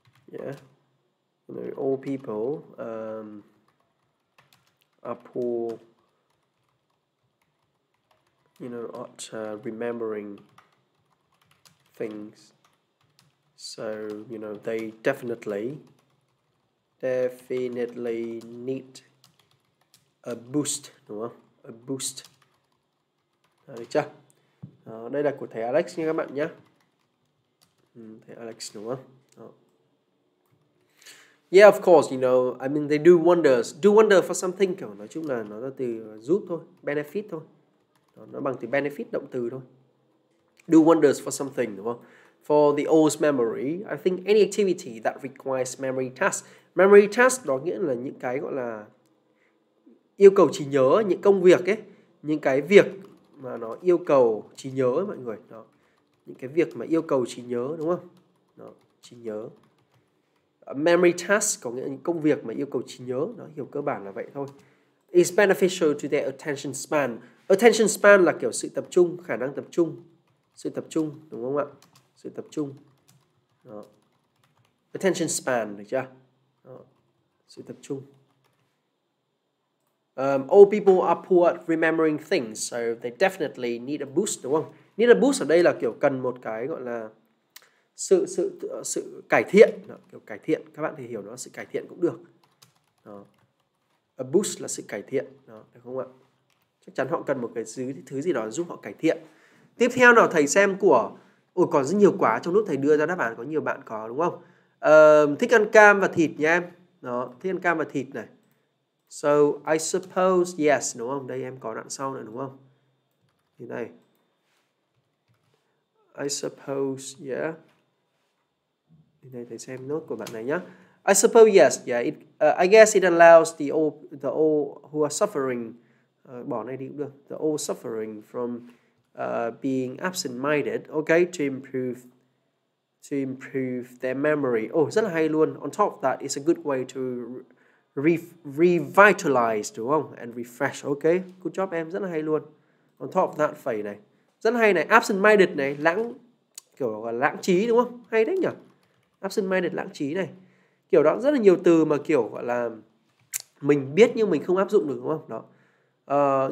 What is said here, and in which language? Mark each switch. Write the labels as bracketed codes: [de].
[en] Yeah, you know, all people are poor, you know, at remembering things. So, you know, they definitely need a boost, đúng không? A boost. Được chưa? [vi] Đó, đây là của thầy Alex nha các bạn nhé. Thầy Alex đúng không? Đó. [en] Yeah, of course, you know, I mean, they do wonders. [vi] Do wonder for something, kiểu nói chung là nó là từ giúp thôi, benefit thôi. Đó, nó bằng từ benefit, động từ thôi. [en] Do wonders for something, đúng không? For the old memory, I think any activity that requires memory task. [vi] Memory task đó nghĩa là những cái gọi là yêu cầu trí nhớ, những công việc ấy, những cái việc mà nó yêu cầu trí nhớ ấy, mọi người. Đó. Những cái việc mà yêu cầu trí nhớ, đúng không? Đó, trí nhớ. Memory task có nghĩa là những công việc mà yêu cầu trí nhớ, nó hiểu cơ bản là vậy thôi. [en] It's beneficial to their attention span. Attention span là kiểu sự tập trung, khả năng tập trung. [vi] Sự tập trung, đúng không ạ? Sự tập trung. Đó. [en] Attention span, được chưa? [vi] Đó. Sự tập trung. [en] All people are poor at remembering things, so they definitely need a boost, đúng không? [vi] Need a boost ở đây là kiểu cần một cái gọi là sự cải thiện, đó, kiểu cải thiện, các bạn thì hiểu nó sự cải thiện cũng được. Đó. A boost là sự cải thiện, đó, được không ạ? Chắc chắn họ cần một cái thứ gì đó giúp họ cải thiện. Tiếp theo nào thầy xem của ôi còn rất nhiều quá trong lúc thầy đưa ra đáp án có nhiều bạn có đúng không? Thích ăn cam và thịt nha em. Đó, thích ăn cam và thịt này. So I suppose yes đúng không? Đây em có đoạn sau này đúng không? Thì đây. I suppose yeah. Đây, thầy xem nốt của bạn này nhá. I suppose yes, yeah. [en] I guess it allows the old who are suffering, bỏ này đi cũng được. The old suffering from being absent-minded, okay, to improve their memory. Oh, rất là hay luôn. On top of that, it's a good way to revitalize, đúng không? And refresh, okay. [vi] Good job em, rất là hay luôn. On top of that, phẩy này, rất hay này. Absent-minded này, lãng trí đúng không? Hay đấy nhỉ? Absent-minded, lãng trí này. Kiểu đó rất là nhiều từ mà kiểu gọi là mình biết nhưng mình không áp dụng được đúng không? Đó.